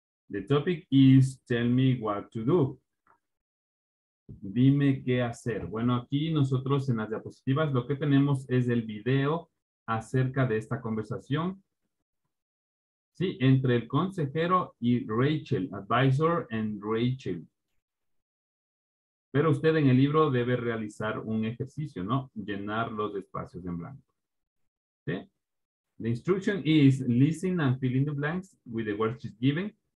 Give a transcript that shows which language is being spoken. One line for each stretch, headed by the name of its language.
English: The topic is tell me what to do.
Spanish: Dime qué hacer. Bueno, aquí nosotros en las diapositivas lo que tenemos es el video acerca de esta conversación. Sí, entre el consejero y Rachel,
English: advisor and Rachel.
Spanish: Pero usted en el libro debe realizar un ejercicio, ¿no? Llenar los espacios en blanco. ¿Sí?
English: The instruction is listen and fill in the blanks with the words she's given.